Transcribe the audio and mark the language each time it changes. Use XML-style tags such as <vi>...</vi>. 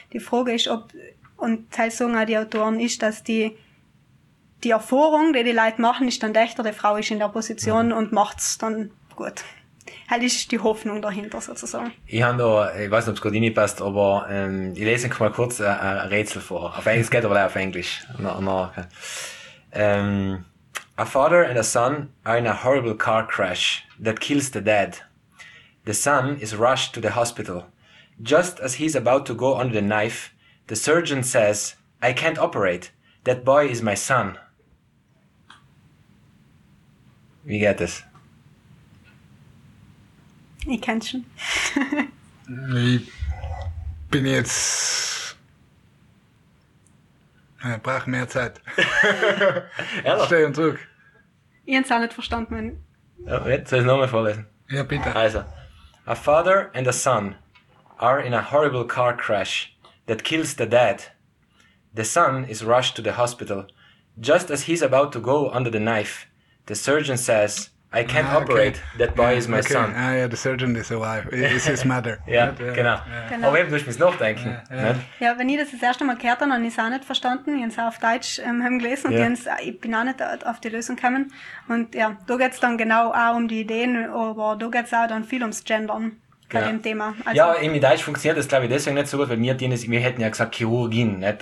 <de>Die Frage ist, ob, und teils sagen auch die Autoren, ist, dass die Erfahrung, die die Leute machen, ist dann echter, die Frau ist in der Position und macht's dann gut. Halt ist die Hoffnung dahinter sozusagen. Ich habe da, ich weiß nicht, ob es gerade nicht passt, aber ich lese mal kurz ein Rätsel vor. Auf Englisch, es geht aber leider auf Englisch.</de> <en>A father and a son are in a horrible car crash that kills the dad. The son is rushed to the hospital. Just as he's about to go under the knife, the surgeon says, I can't operate. That boy is my son.</en> <de>Wie geht das? Ich kenn's schon. Ich bin jetzt... Ich brauch mehr Zeit. Steh und zurück. Ich hab's auch nicht verstanden. Mein... Oh, jetzt soll ich nochmal vorlesen? Ja, bitte. Also.</de> <en>A father and a son are in a horrible car crash that kills the dad. The son is rushed to the hospital. Just as he's about to go under the knife, the surgeon says... I can't operate. Okay. That boy is my son. Ah, yeah, the surgeon is alive. It's his mother.</en> <de>Genau. Aber eben, du musst mich nachdenken. Ja, wenn ich das erste Mal gehört habe, dann habe ich es auch nicht verstanden. Ich habe es auch auf Deutsch gelesen und ich bin auch nicht auf die Lösung gekommen. Und ja, da geht es dann genau auch um die Ideen, aber da geht es auch dann viel ums Gendern bei dem Thema. Also, ja, im Deutsch funktioniert das, glaube ich, deswegen nicht so gut, weil wir hätten ja gesagt Chirurgin, nicht?</de>